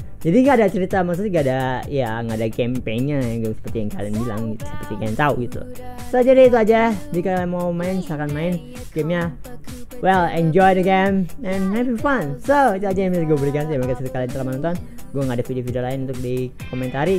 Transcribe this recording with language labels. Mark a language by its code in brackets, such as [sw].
[id] Jadi gak ada cerita, maksudnya gak ada, ya gak ada campaign-nya gitu, seperti yang kalian bilang, gitu, seperti yang kalian tahu gitu. So, jadi itu aja, jika kalian mau main, silahkan main game-nya. [en] Well, enjoy the game, and have fun. [id] So, itu aja yang bisa gue berikan, terima kasih kalian telah menonton. Gue gak ada video-video lain untuk dikomentari.